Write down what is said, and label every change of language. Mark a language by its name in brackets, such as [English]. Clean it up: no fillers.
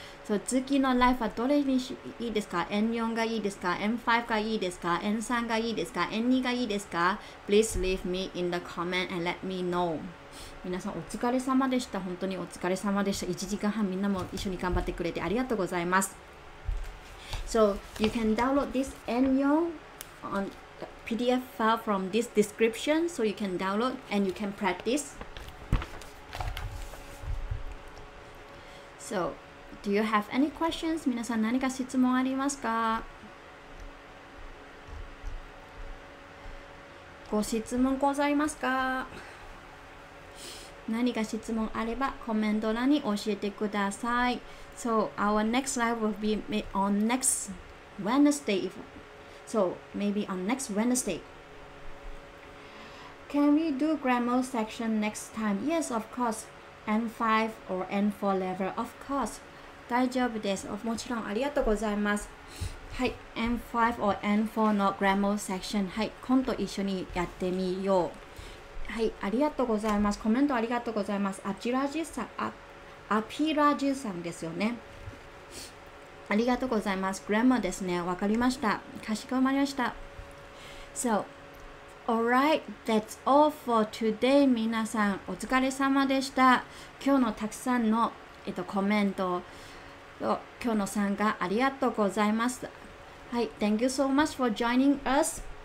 [Japanese] So, 次のライフはどれにいいですか ?N4 がいいですか ?N5 がいいですか ?N3 がいいですか ?N2 がいいですか ? [English] Please leave me in the comment and let me know. [Japanese] 皆さんお疲れ様でした。本当にお疲れ様でした。1時間半みんなも一緒に頑張ってくれてありがとうございます。 [English] So, you can download this N4 on PDF file from this description. So, you can download and you can practice. So,Do you have any questions? [Japanese] 皆さん何か質問ありますか？ご質問ございますか？何か質問あればコメント欄に教えてください。 [English] So our next live will be on next Wednesday. So maybe on next Wednesday. Can we do grammar section next time? Yes, of course. N5 or N4 level, of course. [Japanese] 大丈夫です。もちろんありがとうございます。はい、 [English] N5 or N4 [Japanese] の [English] grammar section。 [Japanese] はい、今度一緒にやってみよう。はい、ありがとうございます。コメントありがとうございます。アピラジさん、アピラジさんですよね。ありがとうございます。 grammar ですね。わかりました。かしこまりました。 [English] So, alright, that's all for today. [Japanese] 皆さん、お疲れ様でした。今日のたくさんの、コメント、今日の参加ありがとうございます。 [English] はい、Thank you so much for joining us.